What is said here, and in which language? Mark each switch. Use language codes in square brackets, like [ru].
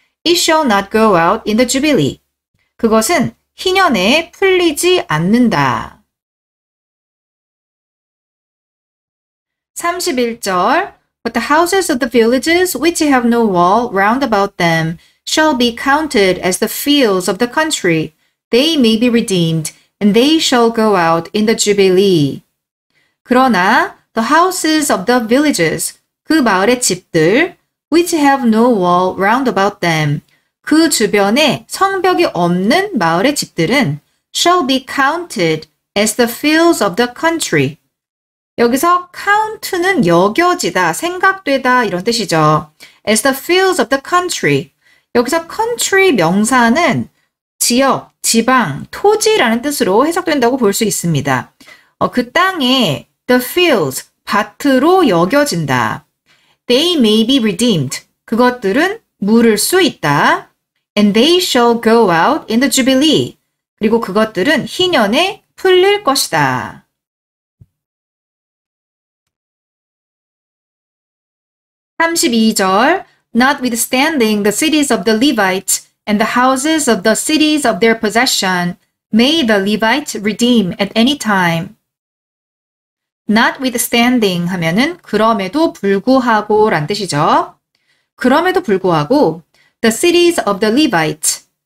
[en] It shall not go out in the Jubilee. [ko] 그것은 희년에 풀리지 않는다. [en] 31절 But the houses of the villages which have no wall round about them shall be counted as the fields of the country. They may be redeemed, and they shall go out in the Jubilee. [ko] 그러나 [en] the houses of the villages, [ko] 그 마을의 집들, [en] which have no wall round about them, [ko] 그 주변에 성벽이 없는 마을의 집들은 [en] shall be counted as the fields of the country. [ko] 여기서 count는 여겨지다, 생각되다 이런 뜻이죠. [en] As the fields of the country. [ko] 여기서 country 명사는 지역, 지방, 토지라는 뜻으로 해석된다고 볼 수 있습니다. 그 땅에 [en] the fields, [ko] 밭으로 여겨진다. [en] They may be redeemed. [ko] 그것들은 물을 수 있다. [en] And they shall go out in the Jubilee. [ko] 그리고 그것들은 희년에 풀릴 것이다. [en] 32절 Notwithstanding the cities of the Levites and the houses of the cities of their possession, may the Levites redeem at any time. [ko] Notwithstanding 하면은 그럼에도 불구하고 라는 뜻이죠. 그럼에도 불구하고 [en] The cities of the Levites,